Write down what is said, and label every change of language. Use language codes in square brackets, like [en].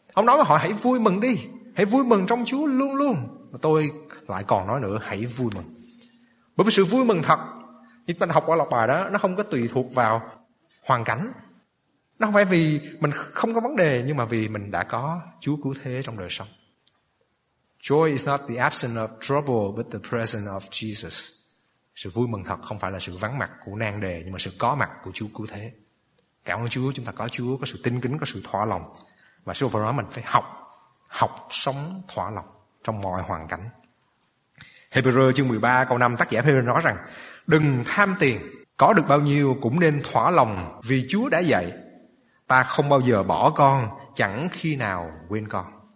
[vi] Ông nói với họ: hãy vui mừng đi, hãy vui mừng trong Chúa luôn luôn. Và tôi lại còn nói nữa: hãy vui mừng. Bởi vì sự vui mừng thật, như mình học qua lọc bài đó, nó không có tùy thuộc vào hoàn cảnh. Nó không phải vì mình không có vấn đề, nhưng mà vì mình đã có Chúa cứu thế trong đời sống. [en] Joy is not the absence of trouble, but the presence of Jesus. [vi] Sự vui mừng thật không phải là sự vắng mặt của nan đề, nhưng mà sự có mặt của Chúa cứu thế. Cảm ơn Chúa, chúng ta có Chúa, có sự tin kính, có sự thỏa lòng. Và sau đó mình phải học sống thỏa lòng trong mọi hoàn cảnh. Hebrew chương 13 câu 5, tác giả Hebrew nói rằng: đừng tham tiền, có được bao nhiêu cũng nên thỏa lòng, vì Chúa đã dạy: ta không bao giờ bỏ con, chẳng khi nào quên con.